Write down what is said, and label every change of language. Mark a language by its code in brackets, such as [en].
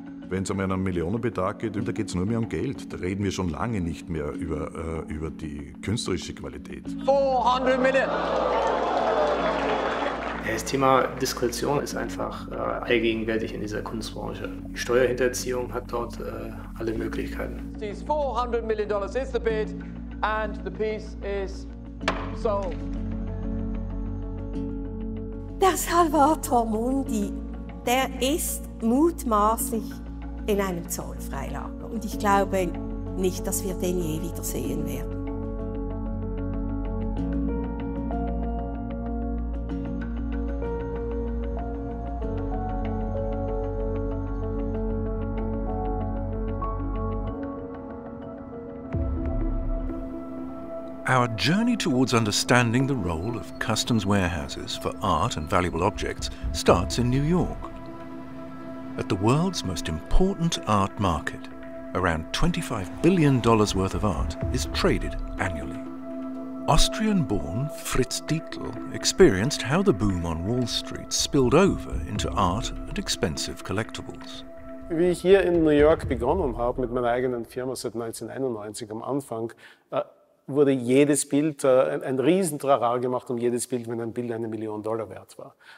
[de] Wenn es um einen Millionenbetrag geht, da geht es nur mehr um Geld. Da reden wir schon lange nicht mehr über die künstlerische Qualität. 400 Millionen! Das Thema Diskretion ist einfach allgegenwärtig in dieser Kunstbranche. Steuerhinterziehung hat dort alle Möglichkeiten. [en] These 400 million dollars is the bid and the piece is sold. [de] Der Salvator Mundi, der ist mutmaßlich in einem Zollfreilager. Und ich glaube nicht, dass wir den je wiedersehen werden. [en] Our journey towards understanding the role of customs warehouses for art and valuable objects starts in New York. At the world's most important art market, around $25 billion worth of art is traded annually. Austrian-born Fritz Dietl experienced how the boom on Wall Street spilled over into art and expensive collectibles. [de] Wie ich hier in New York begonnen habe mit meiner eigenen Firma seit 1991 am Anfang, wurde jedes Bild, ein riesen Trara gemacht um jedes Bild, wenn ein Bild eine Million Dollar wert war.